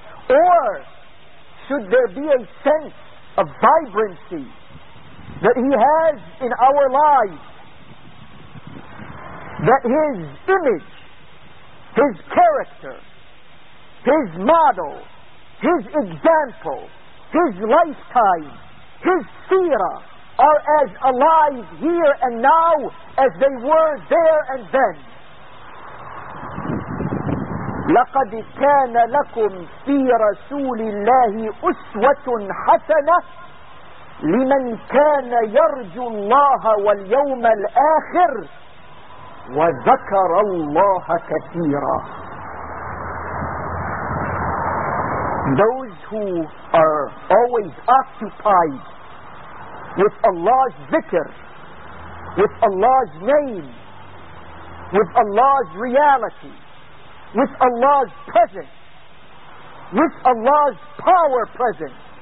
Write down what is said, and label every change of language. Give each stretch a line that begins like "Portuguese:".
English: Or should there be a sense of vibrancy that He has in our lives, that His image, His character, His model, His example, His lifetime, His seerah are as alive here and now as they were there and then?
Arabic: لقد كان لكم في رسول الله أسوة حسنة لمن كان يرجو الله واليوم الآخر وذكر الله كثيرا.
English: Those who are always occupied with Allah's dhikr, with Allah's name, with Allah's reality, with Allah's presence, with Allah's power presence.